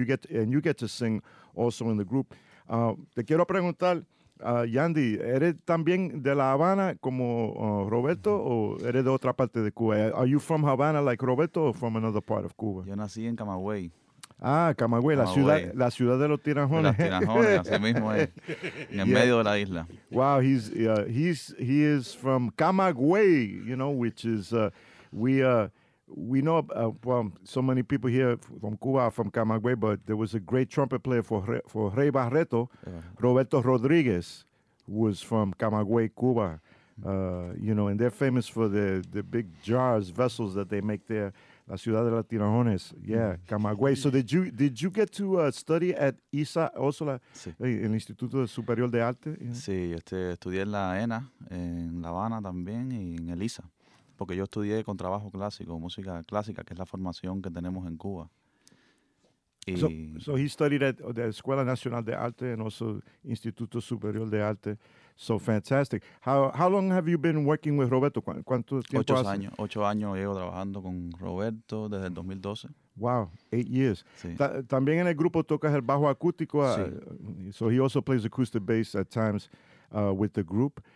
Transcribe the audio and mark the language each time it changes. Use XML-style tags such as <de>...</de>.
<en>You get to sing also in the group.</en> <es>Te quiero preguntar, Yandy, ¿eres también de La Habana como Roberto o eres de otra parte de Cuba?</es> <en>Are you from Havana like Roberto or from another part of Cuba?</en> <es>Yo nací en Camagüey. Ah, Camagüey, la ciudad de los tiranjones. De las tiranjones, así mismo es, en el medio de la isla.</es> <en>Wow, he is from Camagüey, you know, which is we know so many people here from Cuba are from Camagüey, but there was a great trumpet player for Rey Barreto, Roberto Rodriguez, was from Camagüey, Cuba. You know, and they're famous for the big jars, vessels that they make there.</en> <es>La ciudad de las tirajones,</es> <en>yeah, Camagüey. So did you get to study at ISA also, el Instituto Superior de Arte?</en> <es>Sí, estudié en la ENA, en La Habana también, y en el ISA, porque yo estudié contrabajo clásico, música clásica, que es la formación que tenemos en Cuba.</es> <en>Y so he studied at the Escuela Nacional de Arte and also Instituto Superior de Arte. So fantastic. How long have you been working with Roberto?</en> <es>¿Cuánto tiempo ocho hace? Años. 8 años llevo trabajando con Roberto desde el 2012.</es> <en>Wow, 8 years.</en> <es>Sí. También en el grupo tocas el bajo acústico. Sí.</es> <en>So he also plays acoustic bass at times with the group.</en>